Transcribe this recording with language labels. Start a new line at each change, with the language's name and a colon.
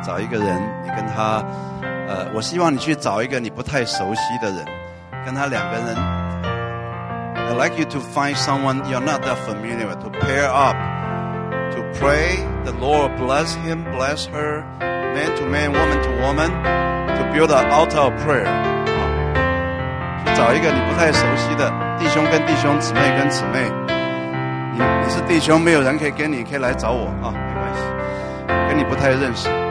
Chinese: 找一个人，你跟他，我希望你去找一个你不太熟悉的人，跟他两个人。
English: I'd like you to find someone you're not that familiar with, to pair up, to pray the Lord bless him, bless her, man to man, woman to woman, to build an altar of prayer.
Chinese: 去找一个你不太熟悉的弟兄跟弟兄，姊妹跟姊妹。你是弟兄，没有人可以跟你，可以来找我啊，没关系，跟你不太认识。